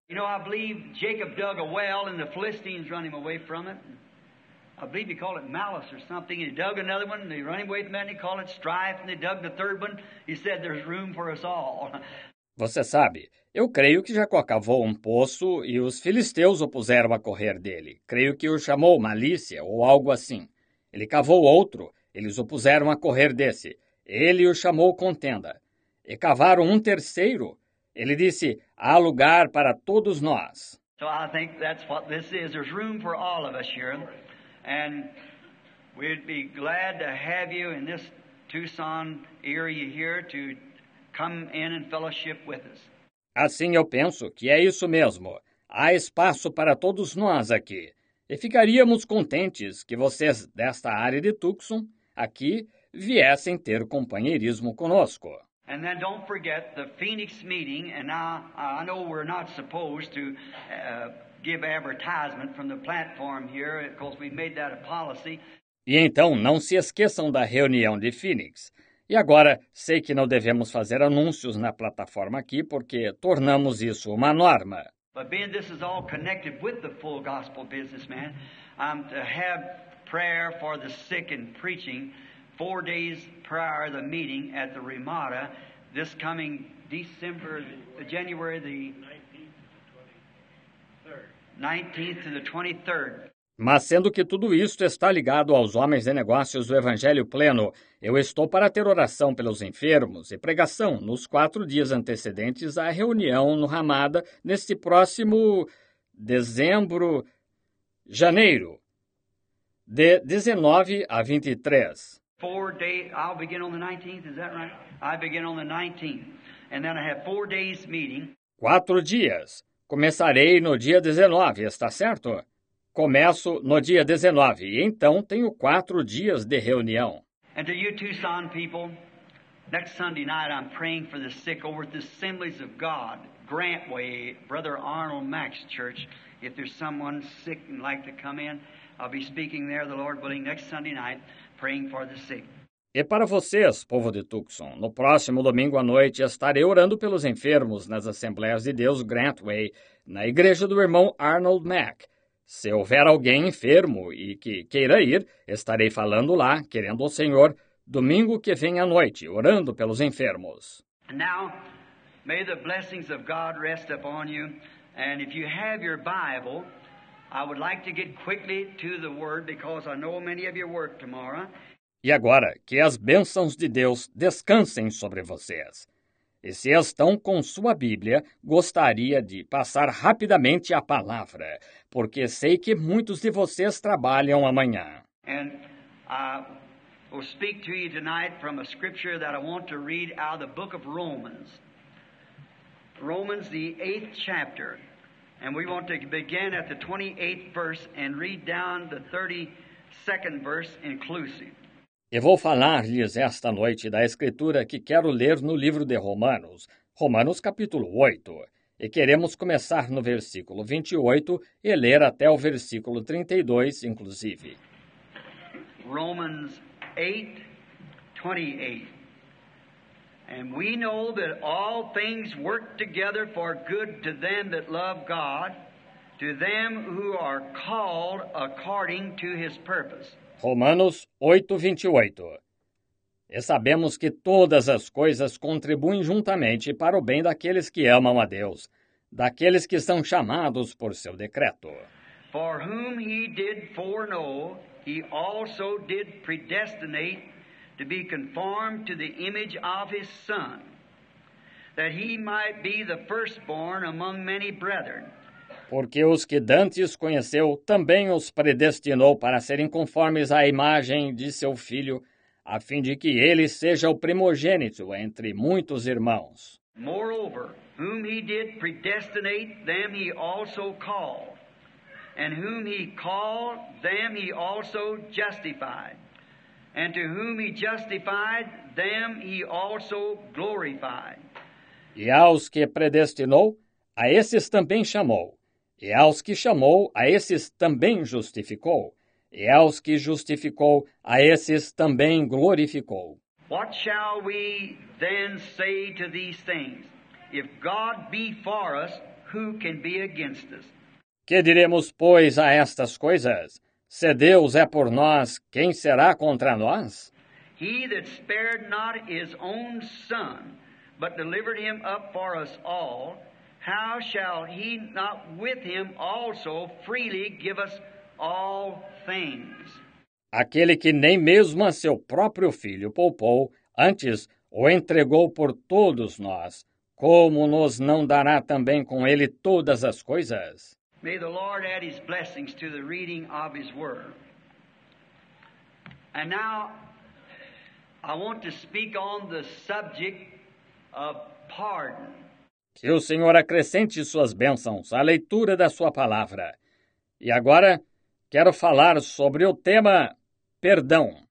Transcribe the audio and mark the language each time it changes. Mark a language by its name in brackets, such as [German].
[English] You know, I believe Jacob dug a well and the Philistines run him away from it. I believe he called it malice or something. He dug another one and they run him away from it and he called it strife and they dug the third one. He said there's room for us all. [Portuguese] Você sabe, eu creio que Jacó cavou um poço e os filisteus o puseram a correr dele. Creio que o chamou malícia ou algo assim. Ele cavou outro, eles o puseram a correr desse. Ele o chamou contenda. E cavaram um terceiro. Ele disse, há lugar para todos nós. [English] So I think that's what this is. There's room for all of us here. And we'd be glad to have you in this Tucson area here to come in and fellowship with us. [Portuguese] Assim eu penso que é isso mesmo. Há espaço para todos nós aqui. E ficaríamos contentes que vocês desta área de Tucson, aqui, viessem ter companheirismo conosco. [English] And then don't forget the Phoenix meeting, and I know we're not supposed to give advertisement from the platform here, because we made that a policy. [Portuguese] E então, não se esqueçam da reunião de Phoenix. E agora, sei que não devemos fazer anúncios na plataforma aqui, porque tornamos isso uma norma. [English] But being this is all connected with the full gospel business, man, I'm to have prayer for the sick and preaching 4 days prior to the meeting at the Ramada this coming December, January the 19th to the 23rd. [Portuguese] Mas sendo que tudo isto está ligado aos homens de negócios do Evangelho Pleno, eu estou para ter oração pelos enfermos e pregação nos 4 dias antecedentes à reunião no Ramada neste próximo dezembro, janeiro, de 19 a 23. [English] 4 days, I'll begin on the 19th, is that right? I begin on the 19th, and then I have 4 days meeting. [Portuguese] 4 dias. Começarei no dia 19, está certo? Começo no dia 19, e então tenho 4 dias de reunião. [English] And to you Tucson people, next Sunday night I'm praying for the sick over at the Assemblies of God, Grantway, Brother Arnold Max Church. If there's someone sick and like to come in, I'll be speaking there, the Lord willing, next Sunday night, praying for the sick. [Portuguese] E para vocês, povo de Tucson, no próximo domingo à noite estarei orando pelos enfermos nas Assembleias de Deus Grantway, na igreja do irmão Arnold Mack. Se houver alguém enfermo e que queira ir, estarei falando lá, querendo o Senhor, domingo que vem à noite, orando pelos enfermos. [English] Now, may the blessings of God rest upon you. And if you have your Bible, I would like to get quickly to the Word, because I know many of you work tomorrow. [Portuguese] E agora, que as bênçãos de Deus descansem sobre vocês. E se estão com sua Bíblia, gostaria de passar rapidamente a palavra, porque sei que muitos de vocês trabalham amanhã. [English] And I will speak to you tonight from a scripture that I want to read out of the book of Romans. Romans, the 8th chapter. And we want to begin at the 28th verse and read down the 32nd verse inclusive. [Portuguese] E vou falar-lhes esta noite da Escritura que quero ler no livro de Romanos, Romanos capítulo 8. E queremos começar no versículo 28 e ler até o versículo 32, inclusive. [English] Romans 8:28. And we know that all things work together for good to them that love God, to them who are called according to his purpose. [Portuguese] Romanos 8:28. E sabemos que todas as coisas contribuem juntamente para o bem daqueles que amam a Deus, daqueles que são chamados por seu decreto. [English] For whom he did foreknow, he also did predestinate to be conformed to the image of his Son, that he might be the firstborn among many brethren. [Portuguese] Porque os que dantes conheceu também os predestinou para serem conformes à imagem de seu filho, a fim de que ele seja o primogênito entre muitos irmãos. [English] Moreover, whom he did predestinate, them he also called. And whom he called, them he also justified. And to whom he justified, them he also glorified. [Portuguese] E aos que predestinou, a esses também chamou. E aos que chamou, a esses também justificou. E aos que justificou, a esses também glorificou. [English] What shall we then say to these things? If God be for us, who can be against us? [Portuguese] Que diremos, pois, a estas coisas? Se Deus é por nós, quem será contra nós? [English] He that spared not his own son, but delivered him up for us all, how shall he not with him also freely give us all things? [Portuguese] Aquele que nem mesmo a seu próprio filho poupou, antes o entregou por todos nós, como nos não dará também com ele todas as coisas? [English] May the Lord add his blessings to the reading of his word. And now, I want to speak on the subject of pardon. [Portuguese] Que o Senhor acrescente suas bênçãos à leitura da sua palavra. E agora, quero falar sobre o tema perdão.